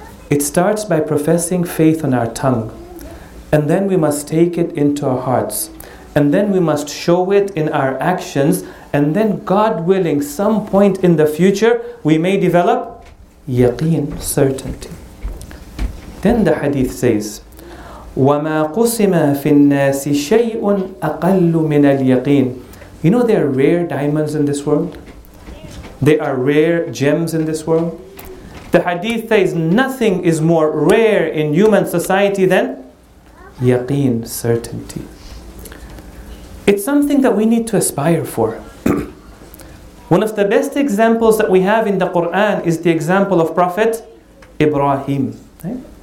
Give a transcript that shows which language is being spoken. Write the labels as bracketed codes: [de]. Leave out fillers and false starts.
[en] It starts by professing faith on our tongue, and then we must take it into our hearts, and then we must show it in our actions, and then, God willing, some point in the future, we may develop yaqeen, certainty. Then the hadith says, [ar] وَمَا قُسِمَ فِي النَّاسِ شَيْءٌ أَقَلُّ مِنَ الْيَقِينِ. [en] You know there are rare diamonds in this world? There are rare gems in this world? The hadith says, nothing is more rare in human society than yaqeen, certainty. It's something that we need to aspire for. One of the best examples that we have in the Quran is the example of Prophet Ibrahim. Right?